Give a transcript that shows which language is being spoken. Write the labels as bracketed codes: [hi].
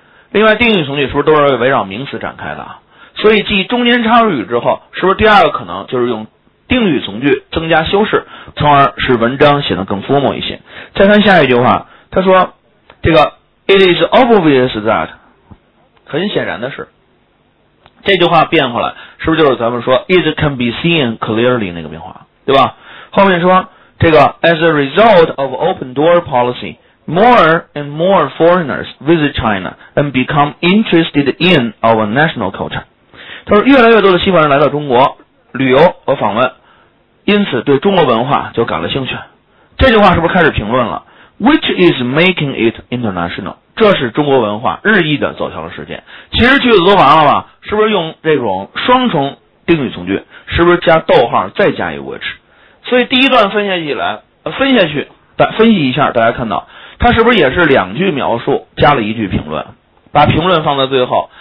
[zh] 另外定语从句是不是都是围绕名词展开的，所以记中间插入语之后，是不是第二个可能就是用定语从句增加修饰，从而使文章显得更 formal 一些。再看下一句话，他说这个 [en] It is obvious that， [zh] 很显然的是，这句话变化了，是不是就是咱们说 [en] It can be seen clearly [zh] 那个变化，对吧？后面说这个 [en] As a result of open door policy more and more foreigners visit China and become interested in our national culture， [zh] 他说越来越多的西方人来到中国旅游和访问，因此对中国文化就感了兴趣。这句话是不是开始评论了 [en] Which is making it international， [zh] 这是中国文化日益的走向了世界。其实句子都完了吧，是不是用这种双重定语从句，是不是加逗号再加一个 which。所以第一段分析起来分析一下，大家看到它是不是也是两句描述加了一句评论，把评论放在最后。